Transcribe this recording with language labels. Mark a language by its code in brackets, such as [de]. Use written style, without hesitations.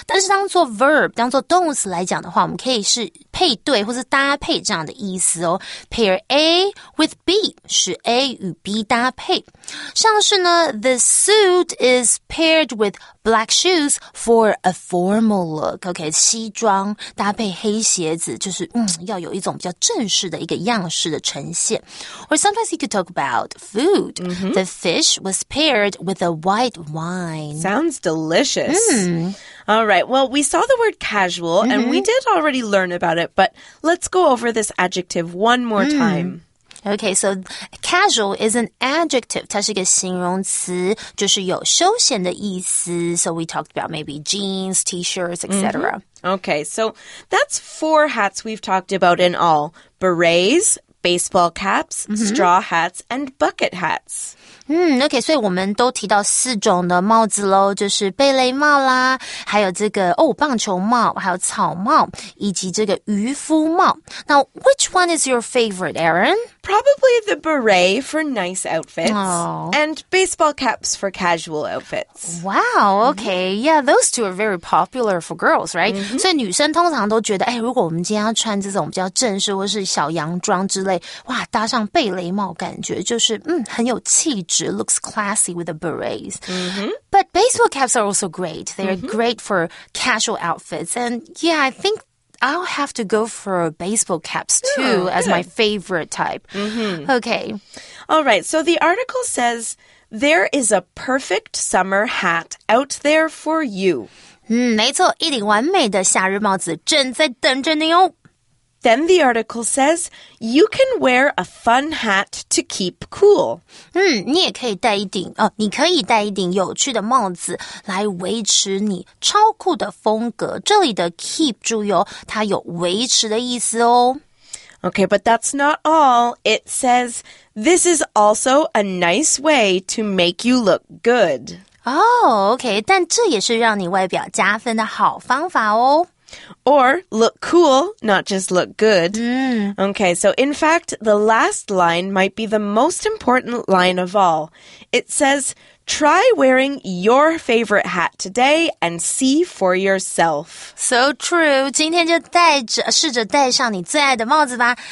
[zh] 但是当作 verb, 当作动词来讲的话我们可以是配对或是搭配这样的意思哦。 [en] Pair A with B [zh] 是 A 与 B 搭配。 [en] 像是呢 The suit is paired with black shoes for a formal look. [zh] Okay, 西装搭配黑鞋子就是要有一种比较正式的一个样式的呈现。 [en] Or sometimes you could talk about food. Mm-hmm. The fish was paired with a white wine. Sounds delicious. Mm. All right, well, we saw the word casual, mm-hmm. and we did already learn about it, but let's go over this adjective one more time. Okay, so casual is an adjective. [zh] 它是一个形容词，就是有休闲的意思。 [en] So we talked about maybe jeans, t-shirts, etc. Mm-hmm. Okay, so that's four hats we've talked about in all. Berets, baseball caps, mm-hmm. straw hats, and bucket hats. [zh] OK, 所以我们都提到四种的帽子咯就是贝雷帽啦还有这个哦棒球帽还有草帽以及这个渔夫帽。 [en] Now, which one is your favorite, Aaron? Probably the beret for nice outfits、 oh. and baseball caps for casual outfits. Wow, OK,、mm-hmm. yeah, those two are very popular for girls, right?、 Mm-hmm. [zh] 所以女生通常都觉得哎如果我们今天要穿这种比较正式或是小洋装之类哇搭上贝雷帽感觉就是很有气质。 [en] Looks classy with the berets. Mm-hmm. But baseball caps are also great. They're mm-hmm. great for casual outfits. And yeah, I think I'll have to go for baseball caps too Ooh, as my favorite type. Mm-hmm. Okay. All right. So the article says, there is a perfect summer hat out there for you. [zh] 没错，一顶完美的夏日帽子正在等着你哦。 [en] Then the article says, you can wear a fun hat to keep cool. [zh] 你也可以戴一顶、哦、你可以戴一顶有趣的帽子来维持你超酷的风格。这里的 keep 注意哦它有维持的意思哦。 [en] Okay, but that's not all. It says, this is also a nice way to make you look good. [zh] Oh, okay, 但这也是让你外表加分的好方法哦。 [en] Or look cool, not just look good. Mm. Okay, so in fact, the last line might be the most important line of all. It says, try wearing your favorite hat today and see for yourself. So true. [zh] 今天就戴着试着戴上你最爱的帽子吧。